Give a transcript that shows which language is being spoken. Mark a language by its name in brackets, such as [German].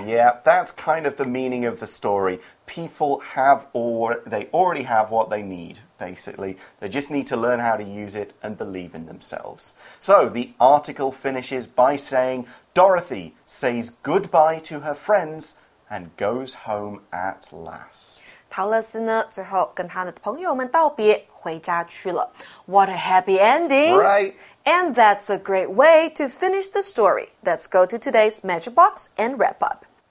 [English] Yeah, that's kind of the meaning of the story. People have or they already have what they need, basically. They just need to learn how to use it and believe in themselves. So the article finishes by saying, Dorothy says goodbye to her friends and goes home at last. [Chinese] 陶乐斯呢最后跟他的朋友们道别回家去了。 [English] What a happy ending! Right! And that's a great way to finish the story. Let's go to today's Magic Box and wrap up.